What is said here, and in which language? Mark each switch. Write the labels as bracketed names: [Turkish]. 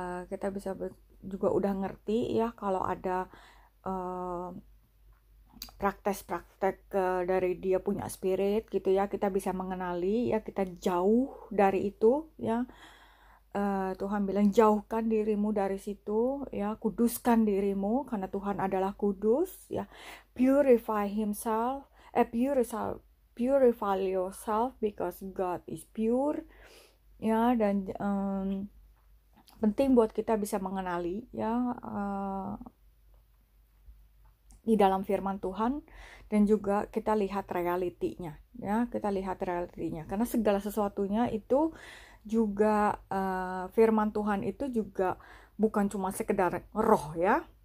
[Indonesian] Kita bisa juga sudah ngerti, ya, kalau ada praktek-praktek dari dia punya spirit gitu, ya, kita bisa mengenali, ya, kita jauh dari itu, ya. Tuhan bilang jauhkan dirimu dari situ, ya, kuduskan dirimu karena Tuhan adalah kudus, ya. [English] Purify himself, purify yourself because God is pure, ya. [Indonesian] Dan penting buat kita bisa mengenali, ya, di dalam firman Tuhan, dan juga kita lihat realitinya, ya, kita lihat realitinya, karena segala sesuatunya itu juga firman Tuhan itu juga bukan cuma sekedar roh, ya,